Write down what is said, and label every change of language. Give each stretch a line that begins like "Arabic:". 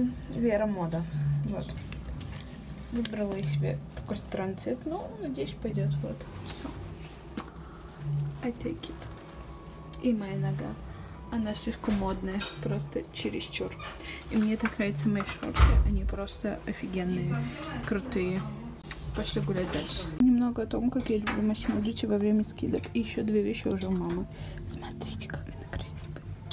Russian: Вера мода. Вот. Выбрала себе такой странный цвет, но надеюсь пойдет. Вот. Все.
English: I take it.
Russian: И моя нога. Она слишком модная. Просто чересчур. И мне так нравятся мои шорты. Они просто офигенные. Крутые. Пошли гулять дальше. Немного о том, как я люблю Массимо Дутти во время скидок. И еще 2 вещи уже у мамы. Смотрите, как она красивая.